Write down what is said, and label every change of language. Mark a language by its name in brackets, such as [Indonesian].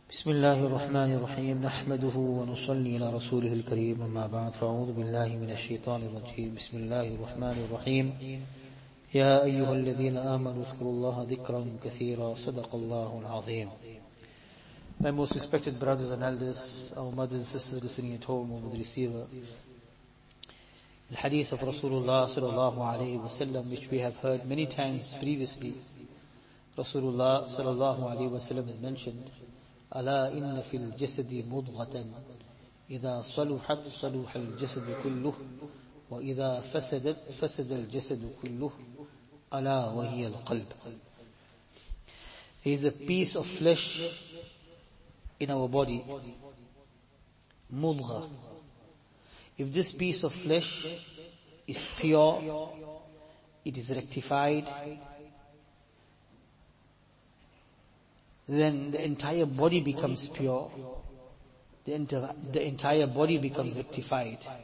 [Arabic] بسم الله الرحمن الرحيم نحمده ونصلي على رسوله الكريم وما بعد فأعوذ بالله من الشيطان الرجيم بسم الله الرحمن الرحيم يا أيها الذين آمنوا اذكروا الله ذكرا كثيرا صدق الله العظيم. [English] My most respected brothers and elders, our mothers and sisters listening at home over the receiver, the hadith of Rasulullah sallallahu alayhi wa sallam, which we have heard many times previously. Rasulullah sallallahu alayhi wa sallam has mentioned, [Arabic] أَلَا إِنَّ فِي الْجَسَدِ مُضْغَةً إِذَا صَلُحَتْ صَلُحَ الْجَسَدُ كُلُّهُ وَإِذَا فَسَدَتْ فَسَدَ الْجَسَدُ كُلُّهُ أَلَا وَهِيَ الْقَلْبِ. [English] He is a piece of flesh in our body. [Arabic] مُضْغَة. [English] If this piece of flesh is pure, it is rectified, then the entire body becomes pure, the entire body becomes rectified.